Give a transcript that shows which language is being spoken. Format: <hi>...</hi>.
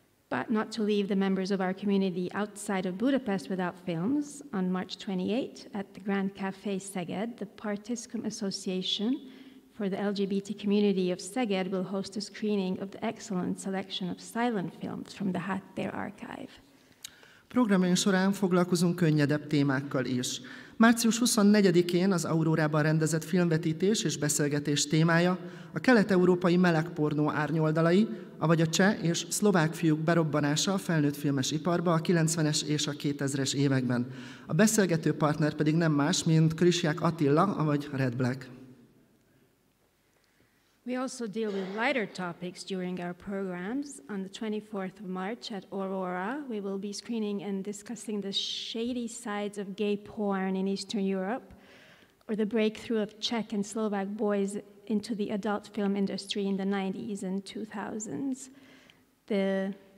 <en>But not to leave the members of our community outside of Budapest without films, on March 28, at the Grand Café Szeged, the Partiscum Association for the LGBT community of Szeged will host a screening of the excellent selection of silent films from the HAYLER archive.</en> <hu>Programjaink során foglalkozunk könnyedebb témákkal is. Március 24-én az Aurórában rendezett filmvetítés és beszélgetés témája a kelet-európai melegpornó árnyoldalai, avagy a cseh és szlovák fiúk berobbanása a felnőtt filmes iparba a 90-es és a 2000-es években. A beszélgető partner pedig nem más, mint Krisják Attila, avagy Red Black.</hu> <en>We also deal with lighter topics during our programs. On the 24th of March at Aurora, we will be screening and discussing the shady sides of gay porn in Eastern Europe, or the breakthrough of Czech and Slovak boys into the adult film industry in the 90s and 2000s. The</en>